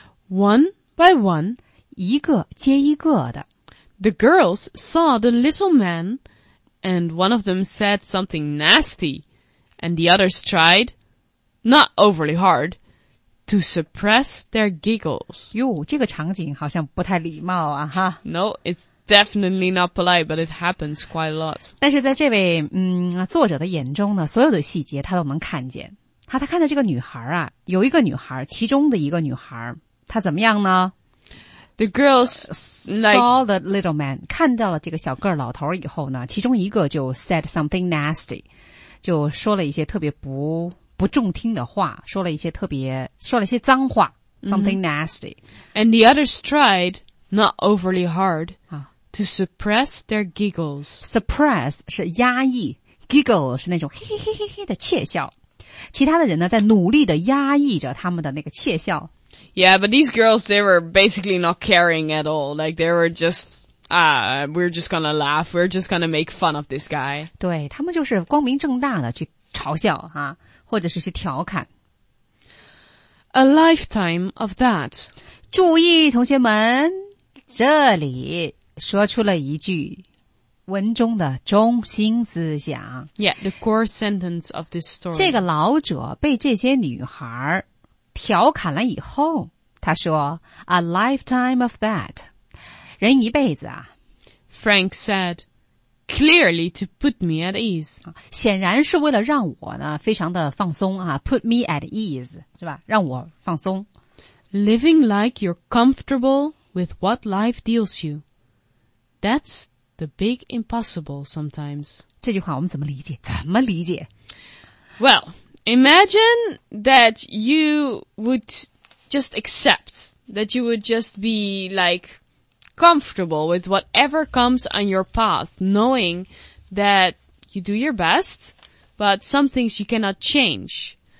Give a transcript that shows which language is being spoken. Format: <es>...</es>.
<en>One by one,</en> <zh>一个接一个的。</zh> <en>The girls saw the little man, and one of them said something nasty, and the others tried, not overly hard, to suppress their giggles.</en> <zh>哟，这个场景好像不太礼貌啊，哈。</zh> <en>No, it's definitely not polite, but it happens quite a lot.</en> <zh>但是在这位作者的眼中呢，所有的细节他都能看见。他看到这个女孩啊，有一个女孩，其中的一个女孩，她怎么样呢？</zh> <en>The girls like, saw the little man,</en> <zh>看到了这个小个老头以后呢，其中一个就</zh> <en>said something nasty,</en> <zh>就说了一些特别不中听的话，说了一些特别，说了一些脏话 ,</zh> <en>something nasty. And the others tried, not overly hard, to suppress their giggles.</en> <zh>Suppress 是压抑， giggle 是那种嘿嘿嘿嘿的窃笑。其他的人呢在努力的压抑着他们的那个窃笑。</zh> <en>Yeah, but these girls, they were basically not caring at all. Like, they were just, we're just gonna laugh. We're just gonna make fun of this guy.</en> <zh>对，他们就是光明正大的去嘲笑啊，或者是去调侃。</zh> <en>A lifetime of that.</en> <zh>注意，同学们，这里说出了一句文中的中心思想。</zh> <en>Yeah, the core sentence of this story.</en> <zh>这个老者被这些女孩调侃了以后，他说 ,</zh> <en>a lifetime of that.</en> <zh>人一辈子啊。</zh> <en>Frank said, clearly to put me at ease.</en> <zh>显然是为了让我呢非常的放松啊 ,</zh> <en>put me at ease,</en> <zh>是吧，让我放松。</zh> <en>Living like you're comfortable with what life deals you. That's the big impossible sometimes.</en> <zh>这句话我们怎么理解，怎么理解</zh> <en>?Well,Imagine that you would just accept, that you would just be like comfortable with whatever comes on your path, knowing that you do your best, but some things you cannot change.</en>